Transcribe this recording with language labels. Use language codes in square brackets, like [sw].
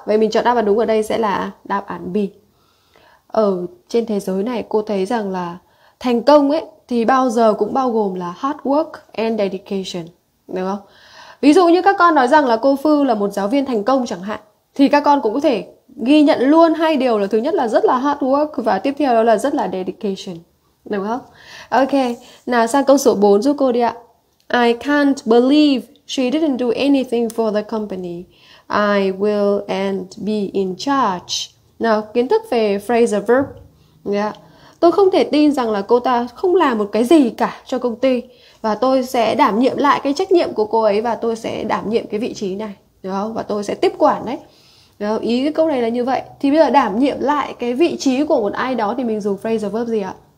[vi] Vậy mình chọn đáp án đúng ở đây sẽ là đáp án B. Ở trên thế giới này cô thấy rằng là thành công ấy thì bao giờ cũng bao gồm là [en] hard work and dedication, [vi] đúng không? Ví dụ như các con nói rằng là cô Phư là một giáo viên thành công chẳng hạn, thì các con cũng có thể ghi nhận luôn hai điều, là thứ nhất là rất là hard work và tiếp theo đó là rất là dedication, đúng không? Ok, nào sang câu số 4 giúp cô đi ạ. [en] I can't believe she didn't do anything for the company. I will and be in charge. [vi] Nào, kiến thức về phrasal verb. Tôi không thể tin rằng là cô ta không làm một cái gì cả cho công ty, và tôi sẽ đảm nhiệm lại cái trách nhiệm của cô ấy, và tôi sẽ đảm nhiệm cái vị trí này, được không? Và tôi sẽ tiếp quản đấy. Được không? Ý cái câu này là như vậy. Thì bây giờ đảm nhiệm lại cái vị trí của một ai đó thì mình dùng phrasal verb gì ạ?